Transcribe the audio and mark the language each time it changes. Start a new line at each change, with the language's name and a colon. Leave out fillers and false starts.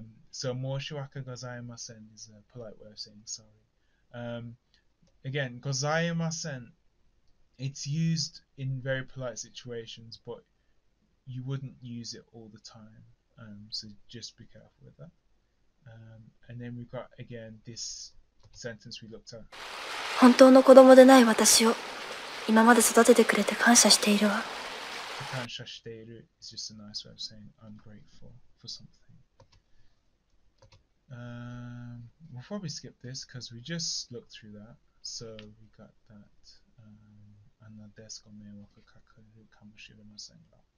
English: So
Japanese: moshiwake gozaimasen
English: is a polite way of saying sorry. Again, gozaimasen, it's used in very polite situations, but you wouldn't use it all the time. So just be careful with that. And then we've got again this sentence we looked at.
Japanese: 本当の子供でない私を今まで育ててくれて感謝しているわ。
English: 感謝している is just a nice way of saying I'm grateful for something. We'll probably skip this because we just looked through that. So we got that.
Japanese: あなたですか迷惑かかるかもしれませんが。